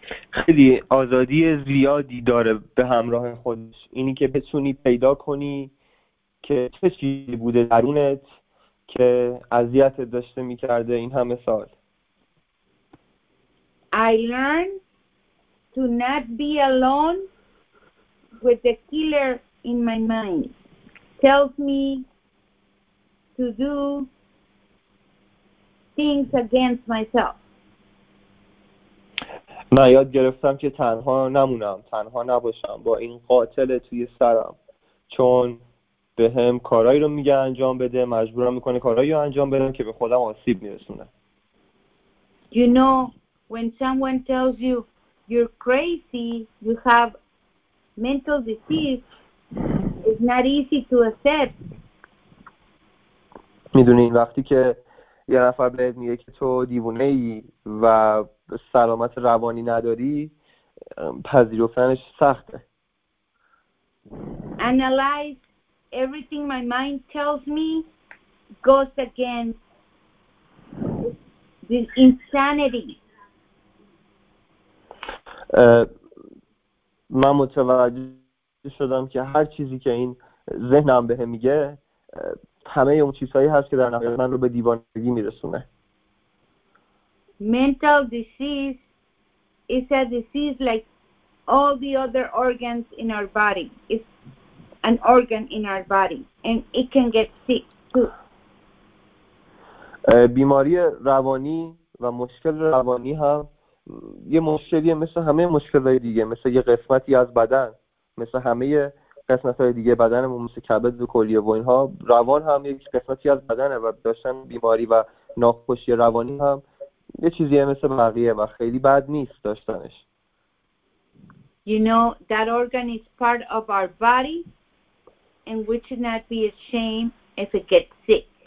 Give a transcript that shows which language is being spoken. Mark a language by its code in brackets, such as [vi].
[fa] خیلی آزادی زیادی داره به همراه خودش اینی که بتونی پیدا کنی که چه چیزی بوده درونت که اذیتت داشته میکرده این همه سال. [en] I learned to not be alone with the killer in my mind tells me to do things against myself. [fa] من یاد گرفتم که تنها نمونم، تنها نباشم با این قاتل توی سرم، چون به هم کارهایی رو میگه انجام بده، مجبورم میکنه کارهایی رو انجام بدم که به خودم آسیب میرسونه. [en] You know, when someone tells you you're crazy, you have mental disease, it's not easy to accept. [fa] میدونی وقتی که یه نفر بهت میگه که تو دیوونه ای و سلامت روانی نداری، پذیرفتنش سخته. [en] Analyze everything my mind tells me goes against this insanity. [fa] من متوجه شدم که هر چیزی که این ذهنم به میگه همه اون چیزهایی هست که در نهایت من رو به دیوانگی میرسونه. [en] Mental disease is a disease like all the other organs in our body. It's an organ in our body and it can get sick too. [fa] بیماری روانی و مشکل روانی هم یه مشکلیه مثل همه مشکلات دیگه، مثل یه قسمتی از بدن، مثل همه قسمت‌های دیگه بدنمون، مثل کبد و کلیه و اینها. روان هم یک قسمتی از بدنه و داشتن بیماری و ناخوشی روانی هم یه چیزیه مثل بقیه و خیلی بد نیست داشتنش. [en] You know that organ is part of our body and we should not be ashamed if it gets sick.